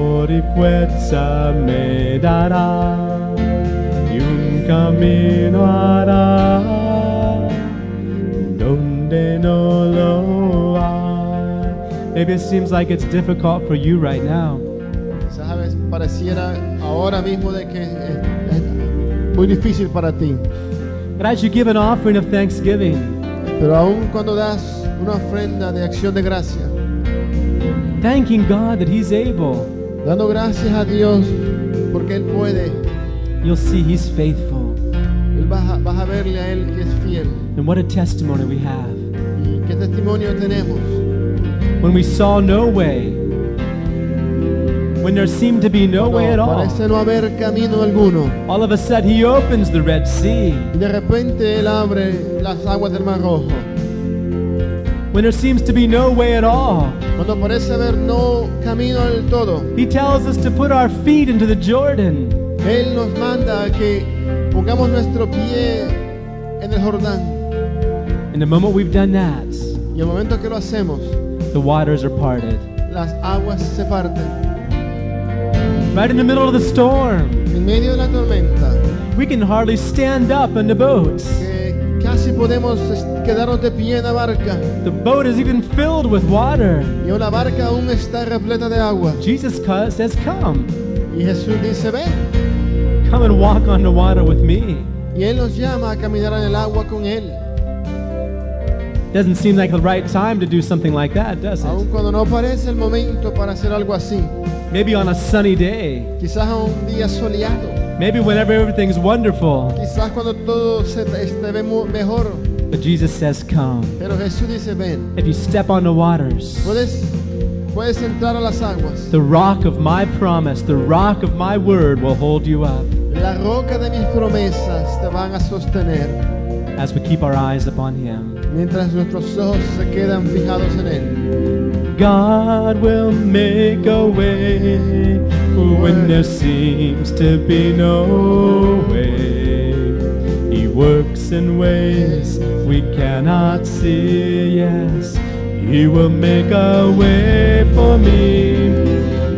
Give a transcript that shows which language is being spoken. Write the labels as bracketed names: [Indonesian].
[Spanish] Y fuerza me dará y un camino hará donde no lo hay. [English] Maybe it seems like it's difficult for you right now. [Spanish] Sabes, pareciera ahora mismo de que es muy difícil para ti. [English] But as you give an offering of thanksgiving, [Spanish] pero aún cuando das una ofrenda de acción de gracia, [English] thanking God that He's able, [Spanish] dando gracias a Dios porque Él puede, [English] you'll see He's faithful. [Spanish] Vas a verle a Él que es fiel. [English] And what a testimony we have. [Spanish] Y qué testimonio tenemos. [English] When we saw no way, when there seemed to be no way at all, [Spanish] parece no haber camino alguno, [English] all of a sudden He opens the Red Sea. [Spanish] Y de repente Él abre las aguas del Mar Rojo. [English] When there seems to be no way at all, [Spanish] cuando parece haber no camino del todo, [English] He tells us to put our feet into the Jordan. [Spanish] Él nos manda que pongamos nuestro pie en el Jordán. [English] In the moment we've done that, [Spanish] y el momento que lo hacemos, [English] the waters are parted. [Spanish] Las aguas se parten. [English] Right in the middle of the storm, [Spanish] en medio de la tormenta, [English] we can hardly stand up in the boats. [Spanish] Casi podemos quedarnos de pie en la barca. [English] The boat is even filled with water. [Spanish] Y la barca aún está repleta de agua. [English] Jesus says, come. [Spanish] Y Jesús dice, ven. [English] Come and walk on the water with me. [Spanish] Y Él nos llama a caminar en el agua con Él. [English] Doesn't seem like the right time to do something like that, does it? [Spanish] Aún cuando no parece el momento para hacer algo así. [English] Maybe on a sunny day. [Spanish] Quizás un día soleado. [English] Maybe whenever everything is wonderful. [Spanish] Quizás cuando todo se ve mejor. [English] But Jesus says, come. [Spanish] Pero Jesús dice, ven. [English] If you step on the waters, [Spanish] puedes entrar a las aguas. [English] The rock of my promise, the rock of my word will hold you up. [Spanish] La roca de mis promesas te van a sostener. [English] As we keep our eyes upon Him. [Spanish] Mientras nuestros ojos se quedan fijados en Él. [English] God will make a way when there seems to be no way. He works in ways we cannot see, yes. He will make a way for me.